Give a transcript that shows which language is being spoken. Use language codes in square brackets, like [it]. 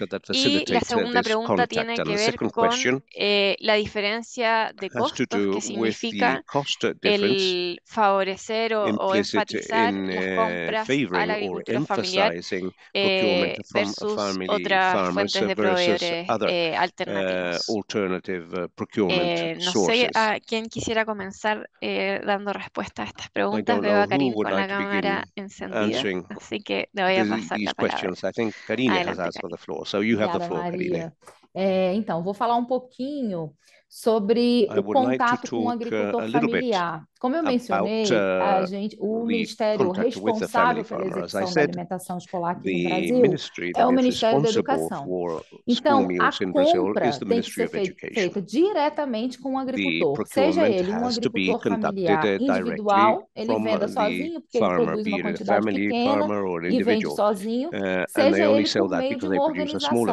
[es] Y la segunda pregunta tiene que ver con la diferencia de costos, que significa el favorecer o enfatizar las compras a la agricultura familiar versus otras fuentes de proveedores alternativos. No sé a quién quisiera comenzar dando respuesta a estas preguntas. Veo acá Karim con la cámara encendida, así que le voy a pasar la palabra. [en] I think Karine has asked for the floor, so you have the floor, Karine. [pt] Então, vou falar um pouquinho sobre o contato com o agricultor familiar. Como eu mencionei, a gente, o Ministério responsável pela execução da alimentação escolar aqui no Brasil é o Ministério da Educação. Então, a compra tem que ser feita diretamente com o agricultor, seja ele um agricultor familiar individual, ele venda sozinho porque ele produz uma quantidade pequena e vende sozinho, seja ele por meio de uma organização.